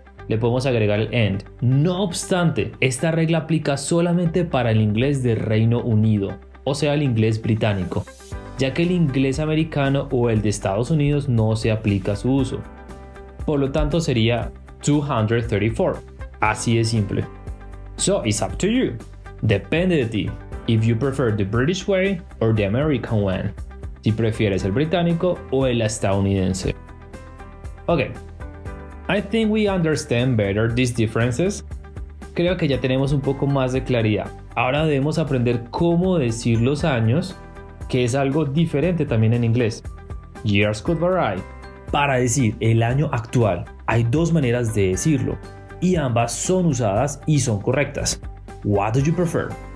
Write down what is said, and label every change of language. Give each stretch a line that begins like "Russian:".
Spanish: Ok, le podemos agregar el and. No obstante, esta regla aplica solamente para el inglés del Reino Unido, o sea el inglés británico, ya que el inglés americano o el de Estados Unidos no se aplica a su uso. Por lo tanto sería 234, así de simple.
English: So it's up to you,
Spanish: depende de ti,
English: if you prefer the British way or the American one.
Spanish: Si prefieres el británico o el estadounidense.
English: Ok, I think we understand better these differences.
Spanish: Creo que ya tenemos un poco más de claridad. Ahora debemos aprender cómo decir los años, que es algo diferente también en inglés.
English: Years could vary.
Spanish: Para decir el año actual, hay dos maneras de decirlo y ambas son usadas y son correctas.
English: What do you prefer?